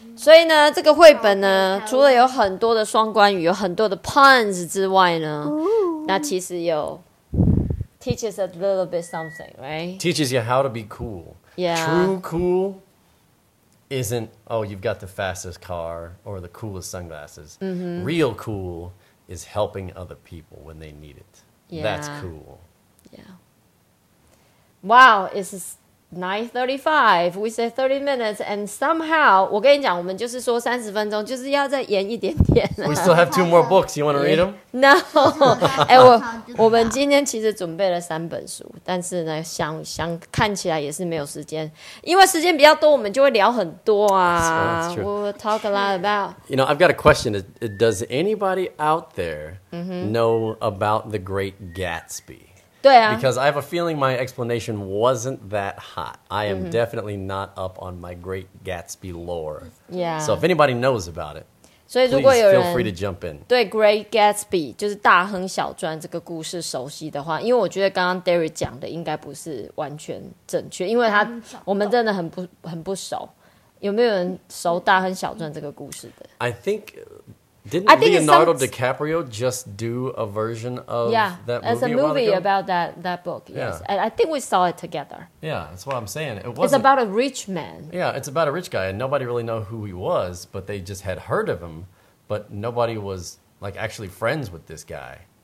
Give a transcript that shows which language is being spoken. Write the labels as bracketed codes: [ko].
[zh] 所以呢，这个绘本呢，除了有很多的双关语，有很多的 puns 之外呢，那其实有 [en] teaches a little bit something, right? Teaches you how to be cool. Yeah. True cool. Isn't, oh, you've got the fastest car or the coolest sunglasses. Mm-hmm. Real cool is helping other people when they need it. Yeah. That's cool. Yeah. Wow, it's 9:35. We say 30 minutes and somehow, [zh] 我跟你讲我们就是说30分钟就是要再延一点点。 [en] We still have two more books. You want to read them? No. [zh] 欸、我们今天其实准备了三本书但是呢想看起来也是没有时间。因为时间比较多我们就会聊很多啊。 [en] So、 we'll talk a lot about. You know, I've got a question. Does anybody out there know about the Great Gatsby? [zh] 对啊、 [en] because I have a feeling my explanation wasn't that hot. I am definitely not up on my Great Gatsby lore. Yeah. So if anybody knows about it, [zh] 所以如果有人 [en] please feel free to jump in. [zh] 对 Great Gatsby, 就是大亨小传这个故事熟悉的话因为我觉得刚刚 Derry 讲的应该不是完全正确因为他我们真的很不熟。有没有人熟大亨小传这个故事的 [en] I think... Didn't Leonardo DiCaprio just do a version of that movie? Yeah, as a movie about that book. Yes. Yeah. I think we saw it together. Yeah, that's what I'm saying. It's about a rich man. Yeah, it's about a rich guy, and nobody really knew who he was, but they just had heard of him, but nobody was like, actually friends with this guy.